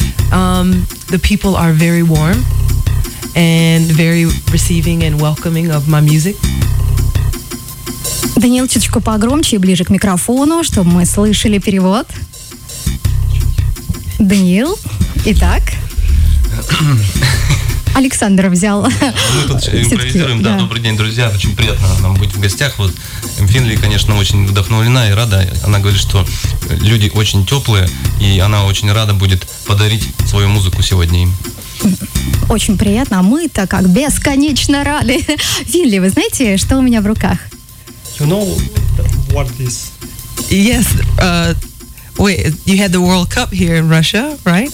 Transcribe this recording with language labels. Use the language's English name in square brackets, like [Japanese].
[English] The people are very warm and very receiving and welcoming of my music. [Russian] Даниил, чуточку погромче и ближе к микрофону, чтобы мы слышали перевод. Даниил, итак. Александр взял. Мы тут импровизируем, да. Добрый день, друзья. Очень приятно нам быть в гостях. Вот Финли, конечно, очень вдохновлена и рада. Она говорит, что люди очень теплые, и она очень рада будет подарить свою музыку сегодня им. Очень приятно. Мы-то как бесконечно рады. Финли, вы знаете, что у меня в руках? [English] You know what this? Yes. Wait, you had the World Cup here in Russia, right?